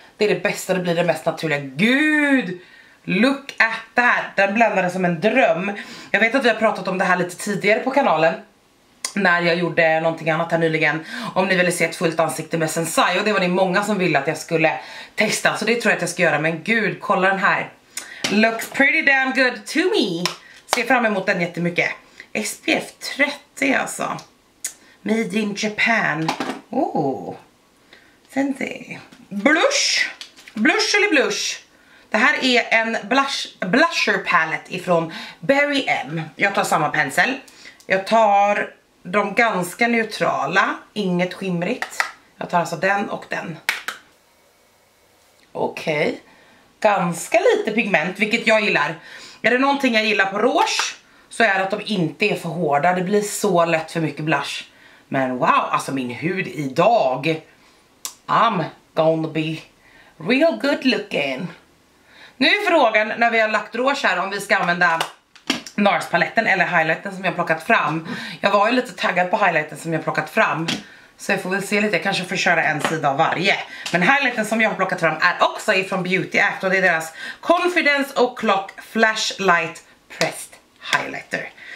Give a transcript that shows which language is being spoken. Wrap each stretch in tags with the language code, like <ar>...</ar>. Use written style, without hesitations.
<sv>Det är det bästa, det blir det mest naturliga. Gud,</sv> <en>look at that,</en> <sv>den bländade som en dröm. Jag vet att vi har pratat om det här lite tidigare på kanalen, när jag gjorde någonting annat här nyligen, om ni ville se ett fullt ansikte med Sensai, och det var ni många som ville att jag skulle testa, så det tror jag att jag ska göra. Men gud, kolla den här.</sv> <en>Looks pretty damn good to me.</en> <sv>Ser fram emot den jättemycket.</sv> <en>SPF 30 alltså. Made in Japan. Oh. Sensai. Blush.</en> <sv>Blush eller blush. Det här är en blusher palette ifrån Berry M. Jag tar samma pensel. Jag tar de ganska neutrala, inget skimrigt. Jag tar alltså den och den. Okej. Ganska lite pigment, vilket jag gillar. Är det någonting jag gillar på rouge, så är det att de inte är för hårda. Det blir så lätt för mycket blush. Men wow, alltså min hud idag.</sv> <en>I'm gonna be real good looking.</en> <sv>Nu är frågan, när vi har lagt rouge här, om vi ska använda NARS-paletten eller highlighten som jag plockat fram. Jag var ju lite taggad på highlighten som jag plockat fram. Så jag får väl se lite, jag kanske får köra en sida av varje. Men highlighten som jag har plockat fram är också ifrån Beauty Act. Och det är deras Confidence O'Clock Flashlight Pressed Highlighter.</sv>